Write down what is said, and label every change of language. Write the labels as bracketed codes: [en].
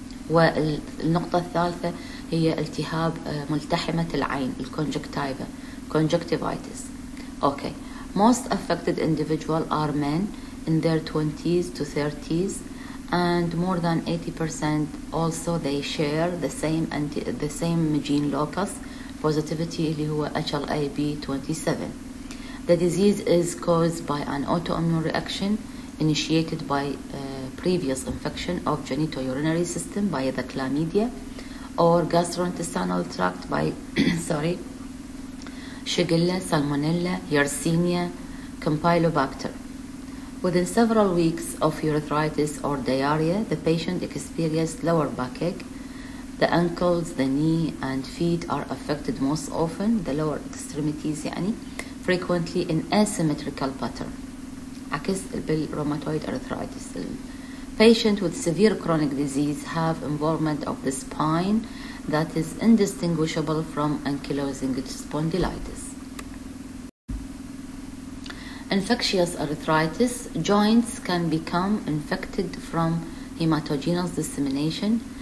[ar] والنقطة الثالثة هي التهاب ملتحمة العين, الconjunctiva, conjunctivitis. [en] Okay. Most affected individual are men in their 20s to 30s, and more than 80% also they share the same gene locus positivity, [ar] اللي هو [en] HLA-B27. The disease is caused by an autoimmune reaction initiated by previous infection of genitourinary system by the chlamydia or gastrointestinal tract by Shigella, Salmonella, Yersinia, Campylobacter. Within several weeks of urethritis or diarrhea, the patient experienced lower backache. The ankles, the knee, and feet are affected most often, the lower extremities, يعني, frequently in asymmetrical pattern. [ar] عكس بالروماتويد arthritis. [en] Patients with severe chronic disease have involvement of the spine that is indistinguishable from ankylosing spondylitis. Infectious arthritis, joints can become infected from hematogenous dissemination.